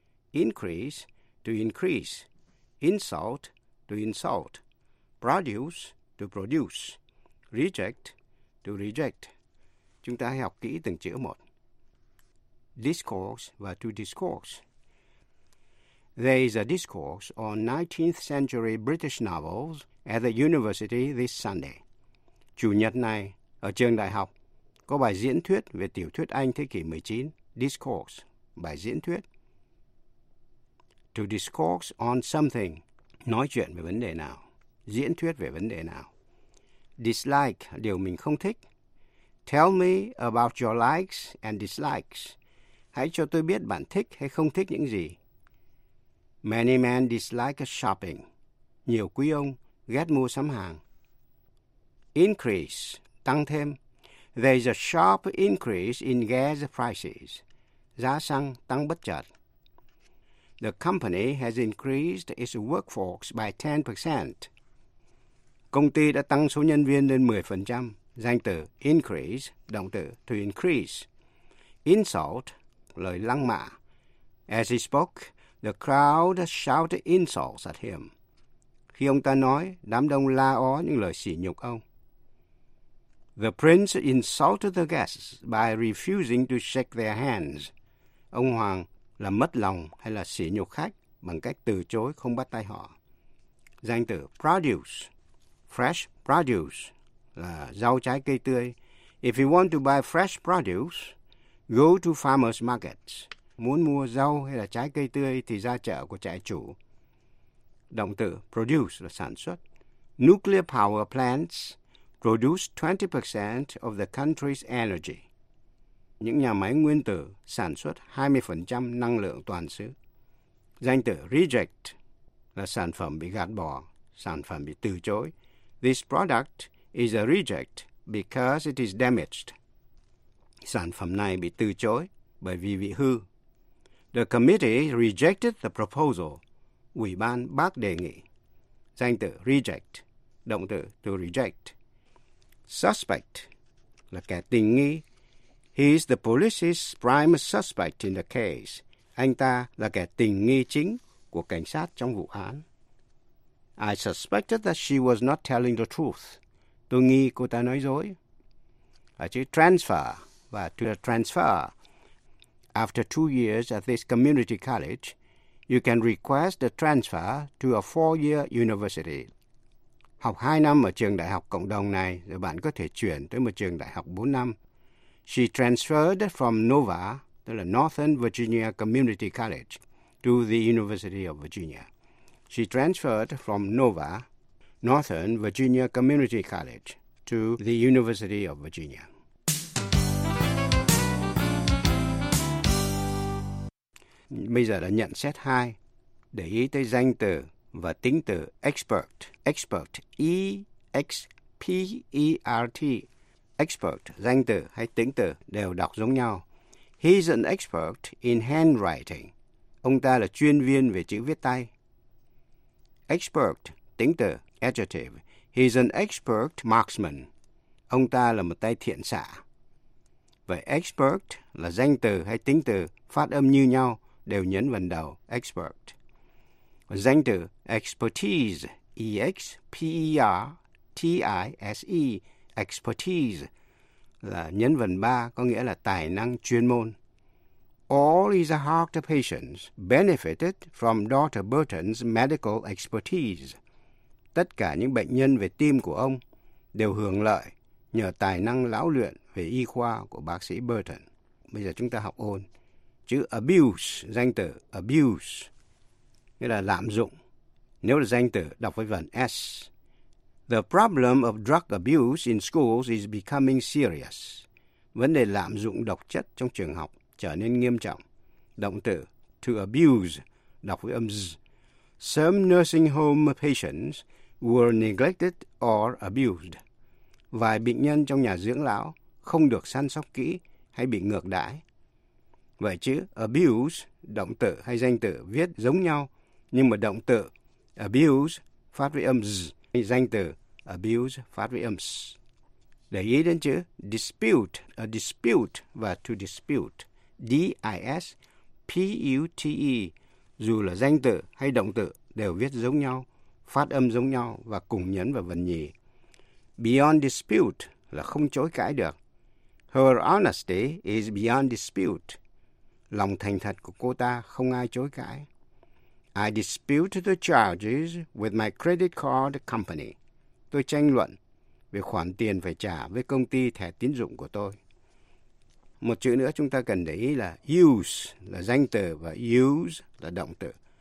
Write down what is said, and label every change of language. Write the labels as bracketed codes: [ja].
[en] Increase, to increase. Insult, to insult. Produce, to produce. Reject, to reject. [vi] Chúng ta hãy học kỹ từng chữ một. Discourse và to discourse. [en] There is a discourse on 19th century British novels at the university this Sunday. [vi] Chủ nhật này, ở trường đại học, có bài diễn thuyết về tiểu thuyết Anh thế kỷ 19, Discourse, bài diễn thuyết. [en] To discourse on something, [vi] nói chuyện về vấn đề nào, diễn thuyết về vấn đề nào. Dislike, điều mình không thích. [en] Tell me about your likes and dislikes. [vi] Hãy cho tôi biết bạn thích hay không thích những gì. [en] Many men dislike shopping. [vi] Nhiều quý ông ghét mua sắm hàng. Increase, tăng thêm. [en] There's a sharp increase in gas prices. [vi] Giá xăng tăng bất chợt. [en] The company has increased its workforce by 10%. [vi] Công ty đã tăng số nhân viên lên 10%. Danh từ increase, động từ to increase. Insult, lời lăng mạ. [en] As he spoke, the crowd shouted insults at him. [vi] Khi ông ta nói, đám đông la ó những lời sỉ nhục ông. [en] The prince insulted the guests by refusing to shake their hands. [vi] Ông hoàng là mất lòng hay là sỉ nhục khách bằng cách từ chối không bắt tay họ. Danh từ produce, fresh produce, là rau trái cây tươi. [en] If you want to buy fresh produce, go to farmers markets. [vi] Muốn mua rau hay là trái cây tươi thì ra chợ của trại chủ. Động từ produce là sản xuất. [en] Nuclear power plants produce 20% of the country's energy. [vi] Những nhà máy nguyên tử sản xuất 20% năng lượng toàn xứ. Danh từ reject là sản phẩm bị gạt bỏ, sản phẩm bị từ chối. [en] This product is a reject because it is damaged. [vi] Sản phẩm này bị từ chối bởi vì bị hư. [en] The committee rejected the proposal. [vi] Ủy ban bác đề nghị. Danh từ reject, động từ to reject. Suspect là kẻ tình nghi. [en] He is the police's prime suspect in the case. [vi] Anh ta là kẻ tình nghi chính của cảnh sát trong vụ án. [en] I suspected that she was not telling the truth. [vi] Tôi nghi cô ta nói dối. Ở chữ transfer và to transfer. [en] After 2 years at this community college, you can request a transfer to a 4-year university. [vi] Học 2 năm ở trường đại học cộng đồng này, rồi bạn có thể chuyển tới một trường đại học 4 năm. [en] She transferred from NOVA, [vi] tức là [en] Northern Virginia Community College, to the University of Virginia. She transferred from NOVA, Northern Virginia Community College, to the University of Virginia. [vi] Bây giờ là nhận xét 2. Để ý tới danh từ và tính từ expert. Expert, E-X-P-E-R-T. Expert, danh từ hay tính từ đều đọc giống nhau. [en] He's an expert in handwriting. [vi] Ông ta là chuyên viên về chữ viết tay. Expert, tính từ, adjective. [en] He's an expert marksman. [vi] Ông ta là một tay thiện xạ. Vậy expert là danh từ hay tính từ phát âm như nhau, đều nhấn vần đầu, expert. Danh từ expertise, E-X-P-E-R-T-I-S-E, expertise, là nhấn vần ba, có nghĩa là tài năng chuyên môn. [en] All his heart patients benefited from Dr. Burton's medical expertise. [vi] Tất cả những bệnh nhân về tim của ông đều hưởng lợi nhờ tài năng lão luyện về y khoa của bác sĩ Burton. Bây giờ chúng ta học ôn. Chữ abuse, danh từ abuse, nghĩa là lạm dụng. Nếu là danh từ, đọc với vần S. [en] The problem of drug abuse in schools is becoming serious. [vi] Vấn đề lạm dụng độc chất trong trường học trở nên nghiêm trọng. Động từ to abuse, đọc với âm Z. [en] Some nursing home patients were neglected or abused. [vi] Vài bệnh nhân trong nhà dưỡng lão không được săn sóc kỹ hay bị ngược đãi. Vậy chữ abuse, động từ hay danh từ viết giống nhau, nhưng mà động từ abuse phát với âm z, danh từ abuse phát với âm s. Để ý đến chữ dispute, a dispute và to dispute, D-I-S-P-U-T-E, dù là danh từ hay động từ đều viết giống nhau, phát âm giống nhau và cùng nhấn vào vần nhì. Beyond dispute là không chối cãi được. [en] Her honesty is beyond dispute. [vi] Lòng thành thật của cô ta không ai chối cãi. [en] I dispute the charges with my credit card company. [vi] Tôi tranh luận về khoản tiền phải trả với công ty thẻ tín dụng của tôi. Một chữ nữa chúng ta cần để ý là use là danh từ và use là động từ.